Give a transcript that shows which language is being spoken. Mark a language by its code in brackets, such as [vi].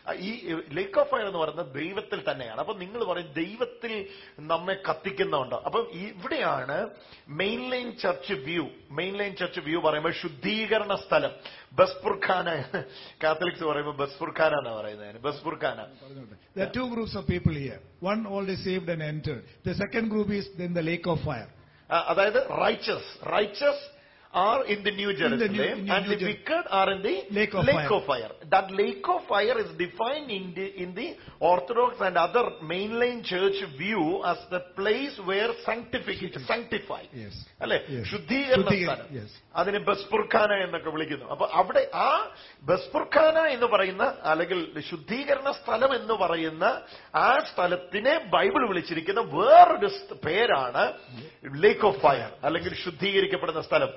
[ml] ഈ [en] lake of fire [ml] എന്ന് പറയുന്നത് ദൈവത്തിൽ തന്നെയാണ്. അപ്പൊ നിങ്ങൾ പറയും ദൈവത്തിൽ നമ്മെ കത്തിക്കുന്നുണ്ട്. അപ്പം ഇവിടെയാണ് [en] Main line church view. [ml] Main line church view പറയുമ്പോൾ ശുദ്ധീകരണ സ്ഥലം ബസ്പുർഖാന. കാത്തലിക്സ് പറയുമ്പോൾ ബസ്പുർഖാന എന്നാണ് പറയുന്നത്. ബസ്പുർഖാന. [en] There are 2 groups of people here. One already saved and entered. The second group is in the lake of fire. [ml] അതായത് righteous. [en] Righteous are in the new Jerusalem and the wicked are in the lake of fire. That lake of fire is defined in the Orthodox and other mainline church view as the place where sanctify. Yes. [ml] അല്ലെ, ശുദ്ധീകരണ സ്ഥലം. അതിന് ബസ്പുർഖാന എന്നൊക്കെ വിളിക്കുന്നു. അപ്പൊ അവിടെ ആ ബസ്പുർഖാന എന്ന് പറയുന്ന, അല്ലെങ്കിൽ ശുദ്ധീകരണ സ്ഥലം എന്ന് പറയുന്ന ആ സ്ഥലത്തിനെ ബൈബിൾ വിളിച്ചിരിക്കുന്ന വേറൊരു പേരാണ് [en] lake of fire, [ml] അല്ലെങ്കിൽ ശുദ്ധീകരിക്കപ്പെടുന്ന സ്ഥലം.